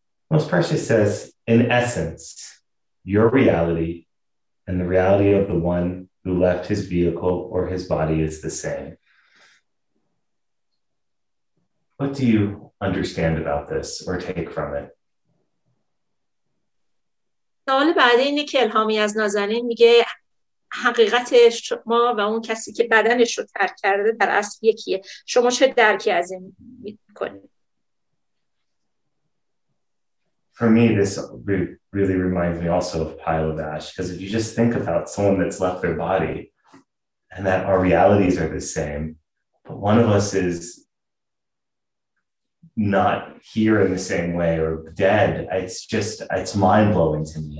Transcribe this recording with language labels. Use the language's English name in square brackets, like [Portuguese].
[English] Most Precious says, in essence, your reality and the reality of the one who left his vehicle or his body is the same. What do you understand about this or take from it? [Persian] سوال بعدی اینه که الهامی از نازنین میگه حقیقت شما و اون کسی که بدنش رو ترک کرده در اصل یکیه. شما چه درکی از این میکنید؟ [English] For me, this really reminds me also of Pile of Ash, because if you just think about someone that's left their body and that our realities are the same, but one of us is not here in the same way or dead, it's mind-blowing to me.